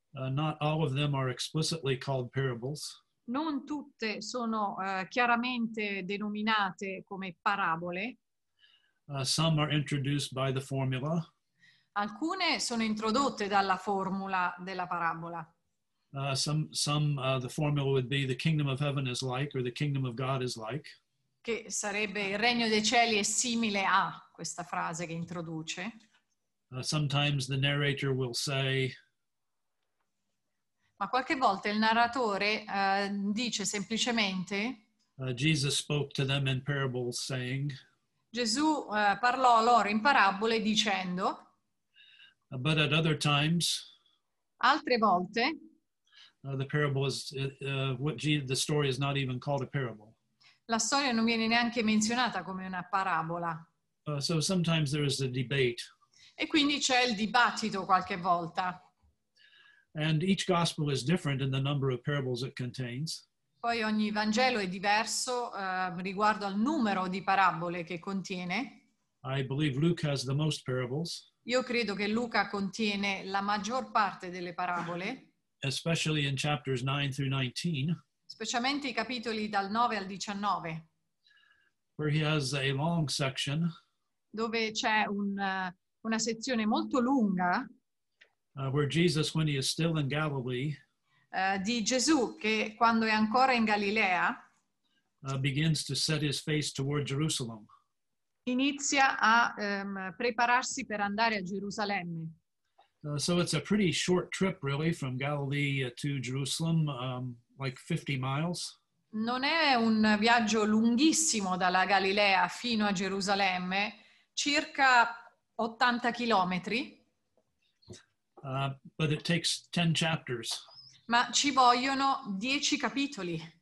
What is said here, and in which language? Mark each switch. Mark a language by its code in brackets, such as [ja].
[en] Not all of them are explicitly called parables. [it] Non tutte sono chiaramente denominate come parabole. [en] Some are introduced by the formula. [it] Alcune sono introdotte dalla formula della parabola. [en] The formula would be the kingdom of heaven is like, or the kingdom of God is like. [it] Che sarebbe il regno dei cieli è simile a questa frase che introduce. [en] Sometimes the narrator will say. [it] Ma qualche volta il narratore dice semplicemente. [en] Jesus spoke to them in parables, saying. [it] Gesù parlò loro in parabole dicendo. [en] But at other times. [it] Altre volte. [en] the parable is the story is not even called a parable. [it] La storia non viene neanche menzionata come una parabola. [en] So sometimes there is a debate. [it] E quindi c'è il dibattito qualche volta. [en] And each gospel is different in the number of parables it contains. [it] Poi ogni Vangelo è diverso riguardo al numero di parabole che contiene. [en] I believe Luke has the most parables. [it] Io credo che Luca contiene la maggior parte delle parabole. [en] Especially in chapters 9 through 19. [it] Specialmente i capitoli dal 9 al 19. [en] Where he has a long section. [it] Dove c'è una sezione molto lunga. [en] Where Jesus, when he is still in Galilee. [it] Di Gesù che quando è ancora in Galilea [en] begins to set his face toward Jerusalem. [it] Inizia a prepararsi per andare a Gerusalemme. [en] So it's a pretty short trip really from Galilee to Jerusalem, like 50 miles. [it] Non è un viaggio lunghissimo dalla Galilea fino a Gerusalemme, circa 80 chilometri. [en] But it takes 10 chapters. [it] Ma ci vogliono 10 capitoli.